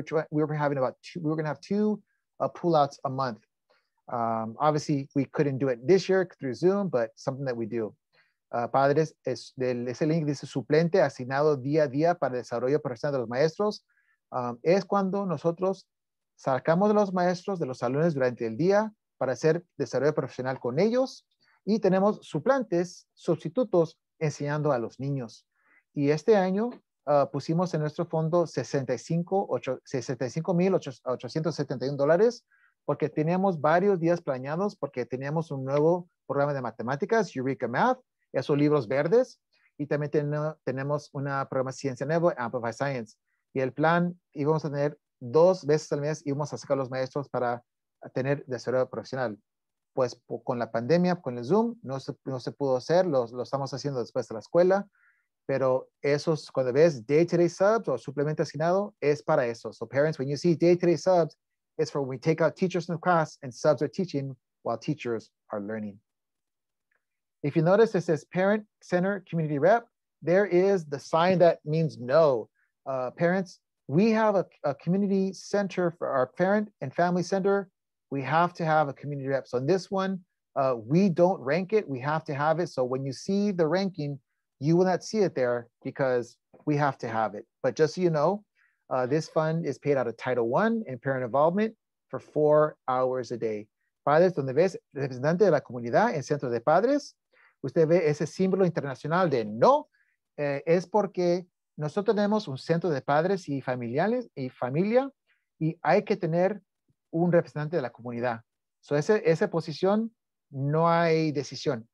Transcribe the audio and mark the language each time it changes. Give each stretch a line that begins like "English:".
English: We were going to have 2 pullouts a month. Obviously, we couldn't do it this year through Zoom, but something that we do.
Spanish: Padres, ese link dice suplente asignado día a día para desarrollo profesional de los maestros. Es cuando nosotros sacamos a los maestros de los salones durante el día para hacer desarrollo profesional con ellos y tenemos suplantes, sustitutos, enseñando a los niños. Y este año pusimos en nuestro fondo $65,871 porque teníamos varios días planeados porque teníamos un nuevo programa de matemáticas, Eureka Math, esos libros verdes, y también tenemos un programa de ciencia nuevo, Amplify Science. Y el plan, íbamos a tener 2 veces al mes, íbamos a sacar a los maestros para tener desarrollo profesional. Pues con la pandemia, con el Zoom, no se pudo hacer, lo estamos haciendo después de la escuela, pero esos, cuando ves day-to-day subs o suplemento asignado, es para eso.
English: So parents, when you see day-to-day subs, it's for when we take out teachers in the class and subs are teaching while teachers are learning. If you notice, it says parent, center, community rep, there is the sign that means no. Parents, we have a community center for our parent and family center. We have to have a community rep. So in this one, we don't rank it. We have to have it. So when you see the ranking, you will not see it there because we have to have it. But just so you know, this fund is paid out of Title I and parent involvement for 4 hours a day.
Spanish: Padres, donde ves representante de la comunidad en centro de padres, usted ve ese símbolo internacional de no, es porque nosotros tenemos un centro de padres y familiares y familia, y hay que tener un representante de la comunidad. So esa posición no hay decisión.